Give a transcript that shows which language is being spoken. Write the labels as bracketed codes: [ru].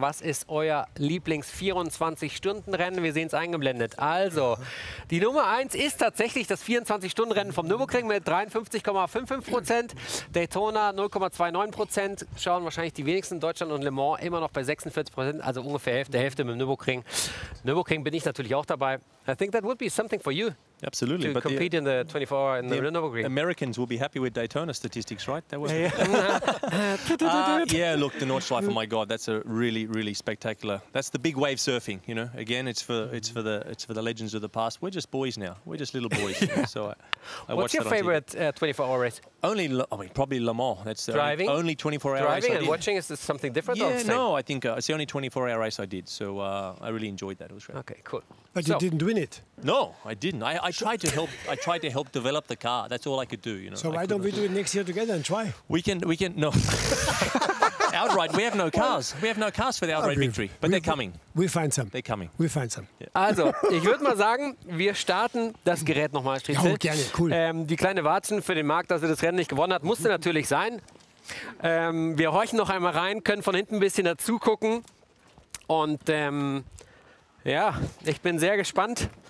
[de] Was ist euer Lieblings-24-Stunden-Rennen? Wir sehen es eingeblendet. Also, die Nummer 1 ist tatsächlich das 24-Stunden-Rennen vom Nürburgring mit 53,55%. Daytona 0,29%. Schauen wahrscheinlich die wenigsten. Deutschland und Le Mans immer noch bei 46%, also ungefähr Hälfte mit dem Nürburgring. Nürburgring bin ich natürlich auch dabei. [en] I think that would be something for you. Absolutely. To compete in the 24-hour in the Nürburgring. Americans will be happy with Daytona statistics, right? That was yeah, look, the Nordschleife, my God, that's a really, really spectacular. That's the big wave surfing, you know. Again, it's for the legends of the past. We're just boys now. We're just little boys. So what's your favorite 24-hour race? Probably Le Mans. That's driving? Only 24-hour driving race. Driving and watching, is this something different? Yeah, no, I think it's the only 24-hour race I did. So I really enjoyed that. It was great. Okay, cool. But you didn't win it. No, I didn't. I tried to help. I tried to help develop the car. That's all I could do. You know. So why don't we do it next year together and try? We can. No. Outright, we have no cars. Well, we have no cars for the Outright Victory. But they're coming. We'll find some. They're coming. We'll find some. [de] Also, ich würde mal sagen, wir starten das Gerät nochmal, Stritzel. Ja, gerne. Cool. Die kleine Watschen für den Markt, dass er das Rennen nicht gewonnen hat, musste natürlich sein. Wir horchen noch einmal rein, können von hinten ein bisschen dazu gucken. Und ja, ich bin sehr gespannt.